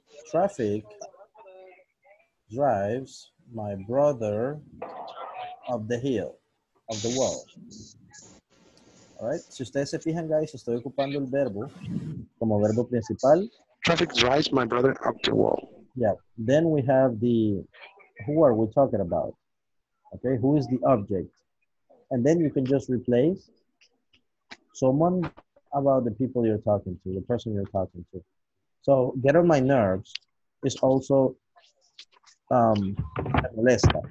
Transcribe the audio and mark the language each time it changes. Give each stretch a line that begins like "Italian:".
English: Traffic drives my brother up the hill, of the wall. All right.
Spanish: Si ustedes se fijan, guys, estoy ocupando el verbo como verbo principal.
English: Traffic drives my brother up the wall. Yeah, then we have the, who are we talking about? Okay, who is the object? And then you can just replace someone about the people you're talking to, the person you're talking to. So, get on my nerves is also
Spanish: me molesta.